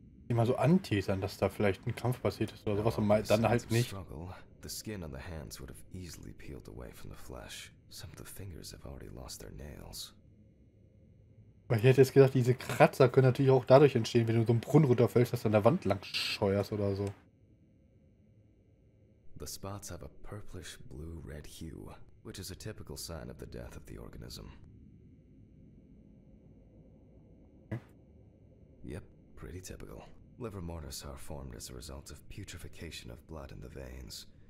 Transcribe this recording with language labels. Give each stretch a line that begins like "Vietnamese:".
German: Immer so anteasern, dass da vielleicht ein Kampf passiert ist oder sowas und mal, dann halt nicht.
English: The skin on the hands would have easily peeled away from the flesh. Some of the fingers have already lost their nails.
German: Weil ich hätte jetzt gedacht, diese Kratzer können natürlich auch dadurch entstehen, wenn du so einen Brunnen runterfällst, dass du an der Wand lang scheuerst oder so.
English: The spots have a purplish blue red hue, which is a typical sign of the death of the organism. Okay. Yep, pretty typical. Liver mortis are formed as a result of putrefaction of blood in the veins.